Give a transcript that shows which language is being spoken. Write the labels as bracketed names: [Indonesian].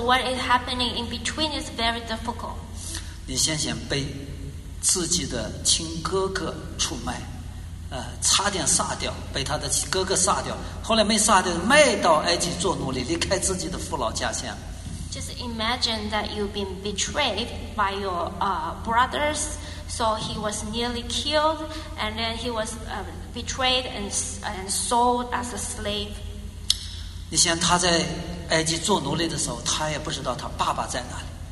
[English] what is happening in between is very difficult. [Chinese] 你先想被自己的亲哥哥出卖，差点杀掉，被他的哥哥杀掉，后来没杀掉，卖到埃及做奴隶，离开自己的父老家乡。 [English] Just imagine that you've been betrayed by your brothers, so he was nearly killed, and then he was betrayed and sold as a slave. [Chinese] 你想他在埃及做奴隶的时候，他也不知道他爸爸在哪里。